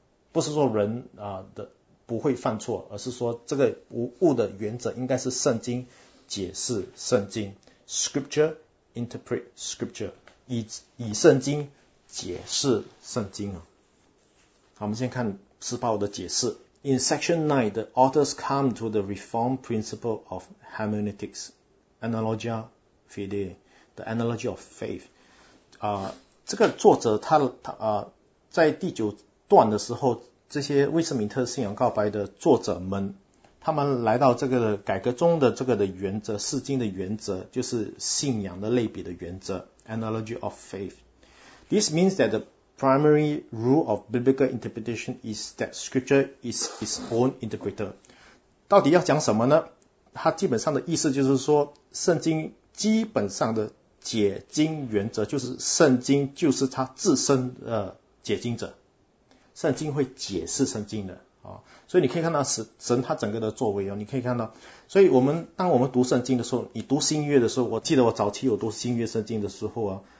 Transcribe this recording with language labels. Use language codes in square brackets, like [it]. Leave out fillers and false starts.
[zh] 不是说人不会犯错，而是说这个无误的原则应该是圣经解释圣经， [en] scripture interpret scripture， [zh] 以圣经解释圣经啊。好，我们先看施保罗的解释。 [en] In section 9, the authors come to the reform principle of hermeneutics, analogia fidei, the analogy of faith. [zh] 这个作者在第九段的时候，这些威斯敏特信仰告白的作者们，他们来到这个改革中的这个的原则，释经的原则，就是信仰的类比的原则， [en] analogy of faith. This means that the primary rule of biblical interpretation is that scripture is its own interpreter. [zh] 到底要讲什么呢？它基本上的意思就是说，圣经基本上的解经原则就是圣经就是它自身的解经者，圣经会解释圣经的啊。所以你可以看到神他整个的作为哦，你可以看到。所以当我们读圣经的时候，你读新约的时候，我记得我早期有读新约圣经的时候啊。